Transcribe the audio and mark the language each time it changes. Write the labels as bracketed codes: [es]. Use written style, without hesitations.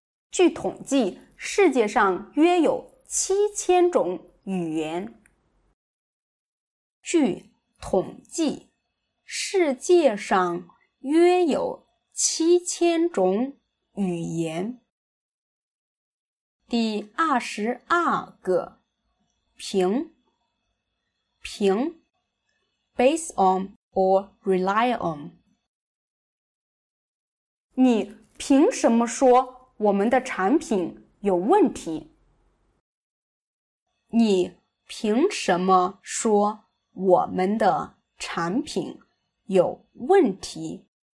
[zh] 据统计，世界上约有7000种语言。据统计，世界上约有7000种语言。第二十二个，凭，凭 [en] ，based on or rely on。 [zh] 你凭什么说我们的产品有问题？你凭什么说我们的产品有问题？